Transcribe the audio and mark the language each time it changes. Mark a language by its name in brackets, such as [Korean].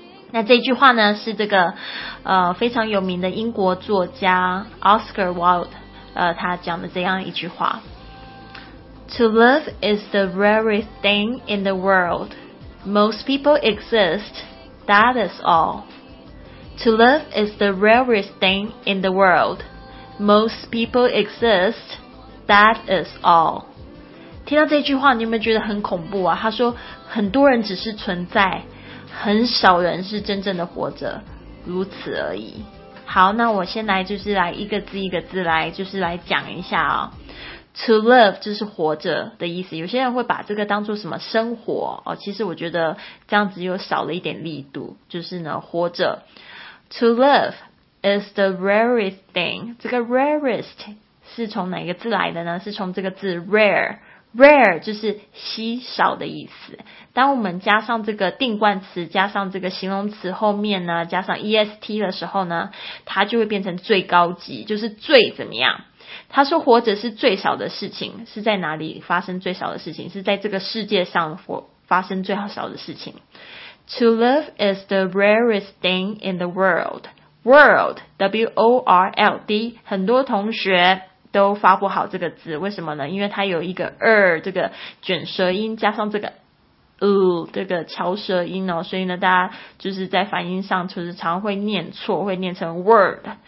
[Chinese] 那这句话呢，是这个非常有名的英国作家 Oscar Wilde 他讲的这样一句话 ： [English] To live is the rarest thing in the world. Most people exist. That is all. To live is the rarest thing in the world. Most people exist. That is all. [Chinese] 听到这句话，你有没有觉得很恐怖啊？他说，很多人只是存在，很少人是真正的活着，如此而已。好，那我先来就是来一个字一个字来就是来讲一下啊。 To live 就是活着的意思，有些人会把这个当作什么生活哦，其实我觉得这样子又少了一点力度，就是呢活着。 [English] To live is the rarest thing. [Chinese] 这个 rarest 是从哪个字来的呢？是从这个字 rare. Rare 就是稀少的意思。当我们加上这个定冠词，加上这个形容词后面呢，加上 est 的时候呢，它就会变成最高级，就是最怎么样？他说活着是最少的事情，是在哪里发生最少的事情？是在这个世界上发生最少的事情。 [English] To live is the rarest thing in the world. [Chinese] World, W-O-R-L-D, 很多同学都发不好这个字，为什么呢？因为它有一个 r 这个卷舌音，加上这个 u 这个翘舌音哦，所以呢，大家就是在发音上就是常会念错，会念成 word。